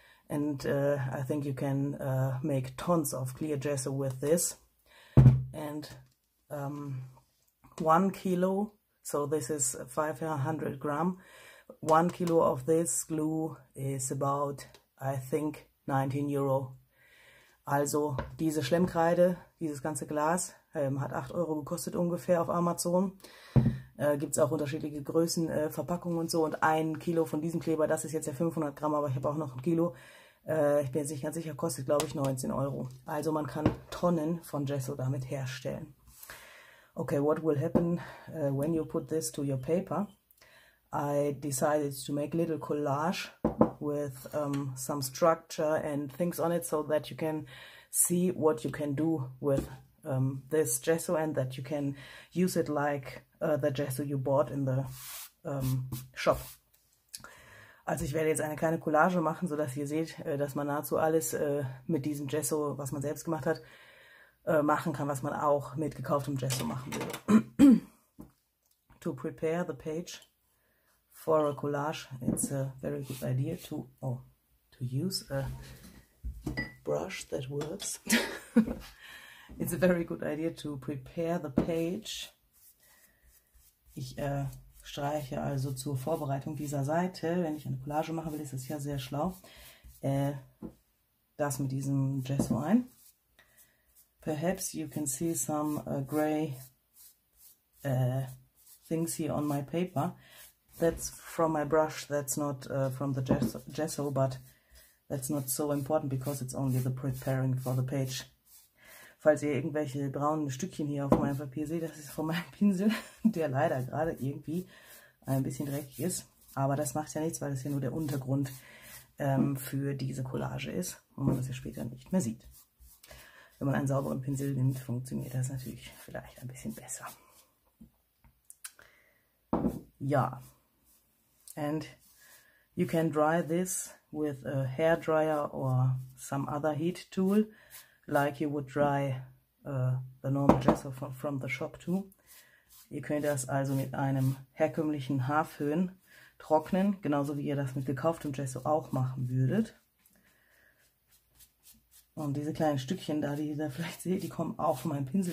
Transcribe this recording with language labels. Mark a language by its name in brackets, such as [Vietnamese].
[English] And I think you can make tons of clear gesso with this. And 1 kilo So this is 500 gram. 1 kilo of this glue is about, I think, 19 Euro. [German] Also diese Schlemmkreide, dieses ganze Glas, hat 8 Euro gekostet ungefähr auf Amazon. Gibt es auch unterschiedliche Größen, Verpackungen und so. Und 1 Kilo von diesem Kleber, das ist jetzt ja 500 Gramm, aber ich habe auch noch 1 Kilo. Ich bin jetzt nicht ganz sicher, kostet glaube ich 19 Euro. Also man kann Tonnen von Gesso damit herstellen. [English] Okay, what will happen when you put this to your paper? I decided to make a little collage with some structure and things on it so that you can see what you can do with this gesso and that you can use it like the gesso you bought in the shop. [German] Also ich werde jetzt eine kleine Collage machen, sodass ihr seht, dass man nahezu alles mit diesem Gesso, was man selbst gemacht hat, machen kann, was man auch mit gekauftem Gesso machen will. [English] To prepare the page for a collage, it's a very good idea to, oh, to use a brush that works. It's a very good idea to prepare the page. [German] Ich streiche also zur Vorbereitung dieser Seite, wenn ich eine Collage machen will, ist das ja sehr schlau, das mit diesem Gesso ein. [English] Perhaps you can see some gray things here on my paper. That's from my brush, that's not from the gesso, but that's not so important because it's only the preparing for the page. [German] Falls ihr irgendwelche braunen Stückchen hier auf meinem Papier seht, das ist von meinem Pinsel, der leider gerade irgendwie ein bisschen dreckig ist. Aber das macht ja nichts, weil das ja nur der Untergrund für diese Collage ist und man das ja später nicht mehr sieht. Wenn man einen sauberen Pinsel nimmt, funktioniert das natürlich vielleicht ein bisschen besser. Ja. [English] And you can dry this with a hairdryer or some other heat tool, like you would dry the normal gesso from the shop too. [German] Ihr könnt das also mit einem herkömmlichen Haarföhn trocknen, genauso wie ihr das mit gekauftem Gesso auch machen würdet. Und diese kleinen Stückchen da, die ihr da vielleicht seht, die kommen auch von meinem Pinsel.